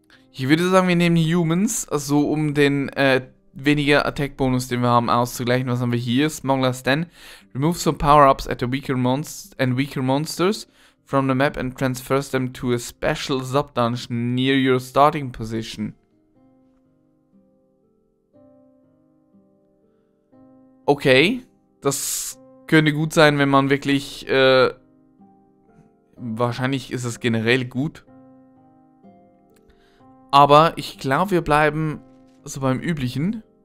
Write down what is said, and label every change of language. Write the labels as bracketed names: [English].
[German] Ich würde sagen, wir nehmen Humans, also um den weniger Attack Bonus, den wir haben, auszugleichen. Was haben wir hier? Smuggler's Den. [English] Remove some Power-Ups at the weaker Monsters from the map and transfer them to a special sub-dungeon near your starting position. [German] Okay, das könnte gut sein, wenn man wirklich, wahrscheinlich ist es generell gut. Aber ich glaube, wir bleiben so beim Üblichen.